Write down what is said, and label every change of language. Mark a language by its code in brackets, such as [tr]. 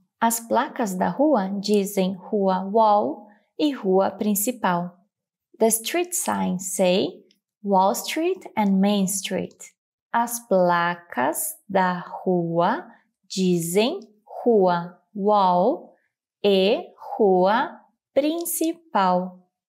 [pt] As placas da rua dizem rua wall e rua principal. [en] The street signs say Wall Street and Main Street. [pt] As placas da rua dizem rua wall e rua principal.